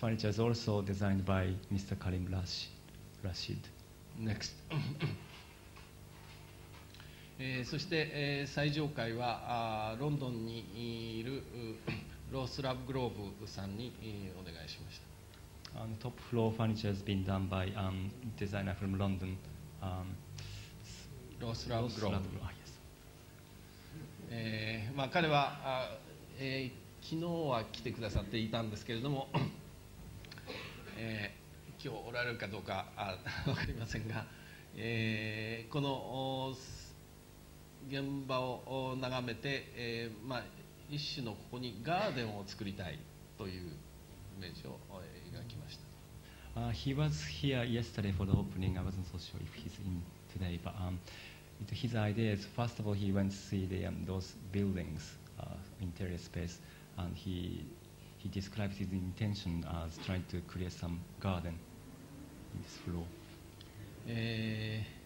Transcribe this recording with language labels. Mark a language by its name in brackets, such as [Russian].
[English] This furniture is also designed by Mr. Karim Rashid. Next. [Japanese] そして最上階はロンドンにいるロース・ラブ・グローブさんにお願いしました。 [English] The top floor furniture has been done by a designer from London. [Japanese] ロース・ラブ・グローブ。ロース・ラブ・グローブ。まあ、彼は昨日は来てくださっていたんですけれども、今日おられるかどうかわかりませんが、この現場を眺めて、まあ、一種のここにガーデンを作りたいというイメージを描きました。 [English] He was here yesterday for the opening. I wasn't so sure if he's in today, but his ideas. First of all, he went to see the, those buildings, interior space, and he described his intention as trying to create some garden in this floor.